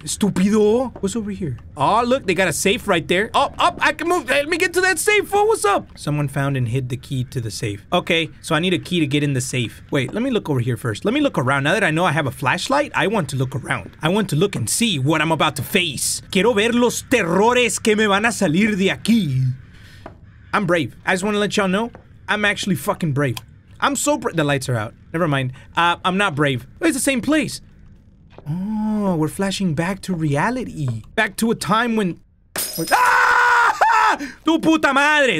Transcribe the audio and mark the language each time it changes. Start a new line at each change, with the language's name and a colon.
English: Stupido! What's over here? Oh, look, they got a safe right there. Oh, up! I can move! Let me get to that safe! Oh, what's up? Someone found and hid the key to the safe. Okay, so I need a key to get in the safe. Wait, let me look over here first. Let me look around. Now that I know I have a flashlight, I want to look around. I want to look and see what I'm about to face.
Spanish: Quiero ver los terrores que me van a salir de aquí.
English: I'm brave. I just want to let y'all know, I'm actually fucking brave. I'm so brave. The lights are out. Never mind. I'm not brave. It's the same place. Oh, we're flashing back to reality. Back to a time when...
Spanish: Ah! Tu puta madre!